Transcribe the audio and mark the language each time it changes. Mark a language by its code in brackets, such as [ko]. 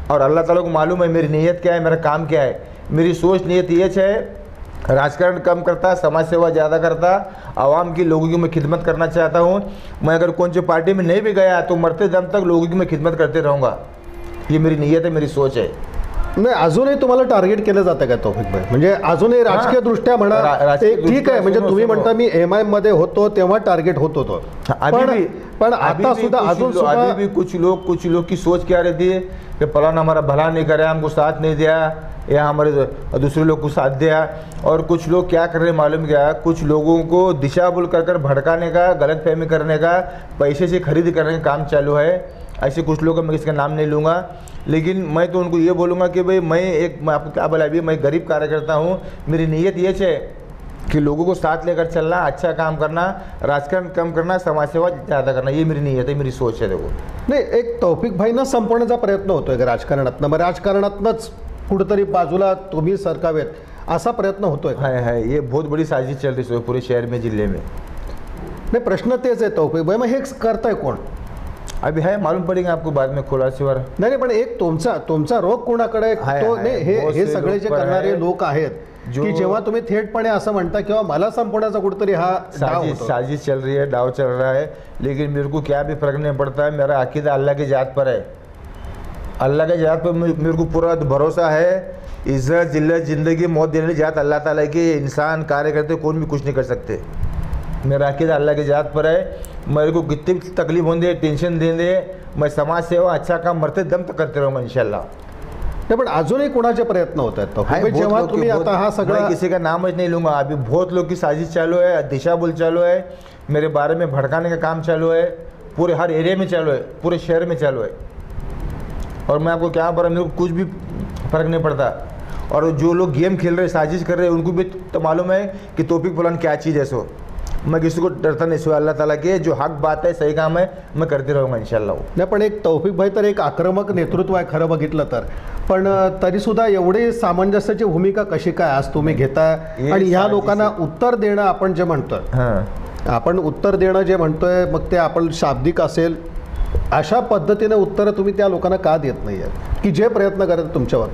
[hi] और अल्लाह ताला को मालूम है मेरी नीयत क्या है, मेरा काम क्या है। मेरी सोच नीयत ये है, राजकारण कम करता, समाज सेवा ज़्यादा करता, आवाम की, लोगों की मैं खिदमत करना चाहता हूँ। मैं अगर कौन सी पार्टी में नहीं भी गया तो मरते दम तक लोगों की मैं खिदमत करते रहूँगा, ये मेरी नीयत है, मेरी सोच है। [mr] मैं अजूनही तुम्हाला टार्गेट केलं जातं का तौफिक भाई, म्हणजे अजूनही राजकीय दृष्ट्या म्हणा ठीक आहे, म्हणजे तुम्ही म्हणता मी एमआय मध्ये होतो तेव्हा टार्गेट होत होतो, पण आता सुद्धा अजून सुद्धा [hi] भी कुछ लोग की सोच क्या रहती है, कि फलाना हमारा भला नहीं करे, हमको साथ नहीं दिया, या हमारे दूसरे लोग को साथ दिया। और कुछ लोग क्या कर रहे मालूम क्या, कुछ लोगों को दिशा भूल कर भड़काने का, गलत फहमी करने का, पैसे से खरीद करने का काम चालू है। ऐसे कुछ लोगों मैं इसका नाम नहीं लूँगा, लेकिन मैं तो उनको ये बोलूँगा कि भाई मैं आपको क्या बोला, अभी मैं गरीब कार्यकर्ता हूँ, मेरी नीयत ये है कि लोगों को साथ लेकर चलना, अच्छा काम करना, राजकारण कम करना, समाज सेवा ज़्यादा करना, ये मेरी नीयत है, मेरी सोच है। देखो [mr] नहीं, एक तौफिक भाई ना संपवण्याचा प्रयत्न होतो आहे राजकारणातनं, मग राजकारणातनंच कुठतरी बाजूला तुम्ही सरकावेत असा प्रयत्न होतो आहे। [hi] हाय हाय, ये बहुत बड़ी साजिश चल रही है पूरे शहर में, जिले में। [mr] नहीं, प्रश्न तेच आहे तौफिक भाई, मग हे करताय कोण? [hi] अभी है मालूम पड़ेगा आपको बाद में खुला शिवर। [mr] नहीं, पण एक तुमचा रोग कोणाकडे आहे, तो हे सगळे जे करणारे लोक आहेत, की जेव्हा तुम्ही थेटपणे असं म्हणता की मला संपवण्याचा कुठतरी हा [hi] साजिश चल रही है, डाव चल रहा है, लेकिन मेरे को क्या भी फर्क नहीं पड़ता है, मेरा अकीदा अल्लाह की जात पर है, अल्लाह की जात पर मेरे को पूरा भरोसा है, इज्जत जिल्लत जिंदगी मौत देने जात अल्लाह ताला की, इंसान कार्य करते कौन भी कुछ नहीं कर सकते, मेरा अकीदा अल्लाह की जात पर है। मेरे को कितनी भी तकलीफ होने दे, टेंशन दे दे, मैं समाज सेवा, अच्छा काम मरते दम तक करते रहूँगा इंशाल्लाह। [mr] नहीं, पण अजूनही कोणाचे प्रयत्न होत आहेत तो भाई, जेव्हा तुम्ही आता हा सगळा, [hi] किसी का नामच नाही लूंगा, अभी बहुत लोग की साजिश चालू है, दिशाभूल चालू है, मेरे बारे में भड़काने का काम चालू है, पूरे हर एरिया में चालू है, पूरे शहर में चालू है। और मैं आपको क्या बोल रहा, मेरे को कुछ भी फर्क नहीं पड़ता। और जो लोग गेम खेल रहे, साजिश कर रहे हैं, उनको भी तो मालूम है कि टॉपिक फलान क्या चीज़ है। सो मैं किसी को डरता नहीं, सो अल्लाह ताला के जो हक बात है, सही काम है, मैं करते रहूँगा इंशाल्लाह। [mr] नहीं, पण एक तौफिक भाई तर एक आक्रमक नेतृत्व आहे खरं बघितलं तर, पण तरीसुद्धा एवढी सामंजस्याची भूमिका कशी काय आज तुम्ही घेताय, आणि ह्या लोकांना उत्तर देणं आपण जे म्हणतोय, आपण उत्तर देणं जे म्हणतोय, मग ते आपण शाब्दिक असेल, अशा पद्धतीने उत्तर तुम्ही त्या लोकांना का देत नाही आहे की जे प्रयत्न करत तुमच्यावर?